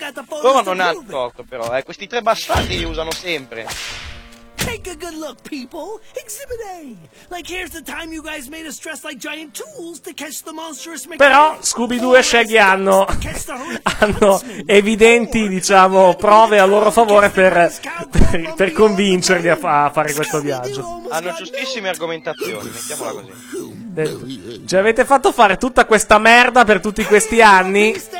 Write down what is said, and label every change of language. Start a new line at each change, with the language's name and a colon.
Italian: Loro non hanno torto, però. Questi tre bastardi li usano sempre.
English: Take a good look, people. Exhibit A. Like, here's the time you guys made us dress like giant tools to catch the monstrous mechanic.
Italian: Però Scooby-Doo e Shaggy hanno hanno evidenti, diciamo, prove a loro favore per convincerli a fare questo viaggio. Hanno giustissime argomentazioni, mettiamola così. Ci avete fatto fare tutta questa merda per tutti questi anni.